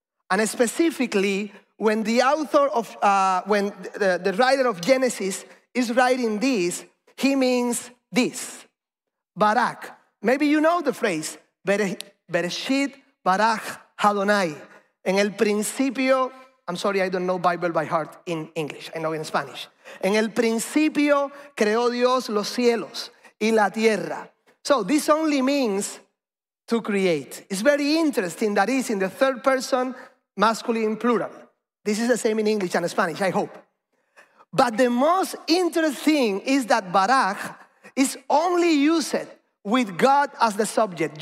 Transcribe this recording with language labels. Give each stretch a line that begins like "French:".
English: And specifically, when the author of, when the writer of Genesis is writing this, he means this. Barak. Maybe you know the phrase.
Hebrew: Bereshit Barak Adonai.
Spanish: En el principio.
English: I'm sorry, I don't know Bible by heart in English. I know in Spanish.
Spanish: En el principio creó Dios los cielos y la tierra.
English: So this only means to create. It's very interesting that it's in the third person, masculine, plural. This is the same in English and Spanish, I hope. But the most interesting is that Barak is only used with God as the subject.